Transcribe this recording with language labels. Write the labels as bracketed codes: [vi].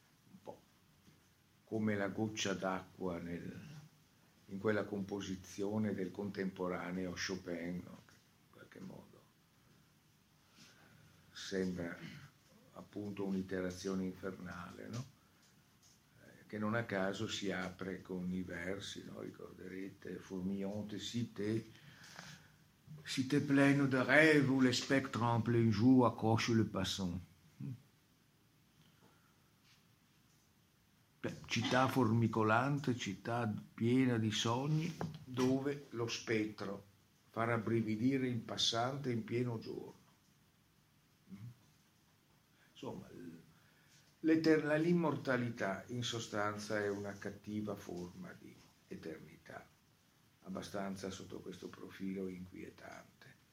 [it] Un po' come la goccia d'acqua in quella composizione del contemporaneo Chopin, no? Che in qualche modo sembra appunto un'iterazione infernale, no? Che non a caso si apre con i versi, no? [fr] Ricorderete, fourmillante cité, cité pleine de rêve où les spectres en plein jour accrochent le passant. [it] Città formicolante, città piena di sogni, dove lo spettro fa rabbrividire il passante in pieno giorno. Insomma, l'immortalità in sostanza è una cattiva forma di eternità, abbastanza sotto questo profilo inquietante.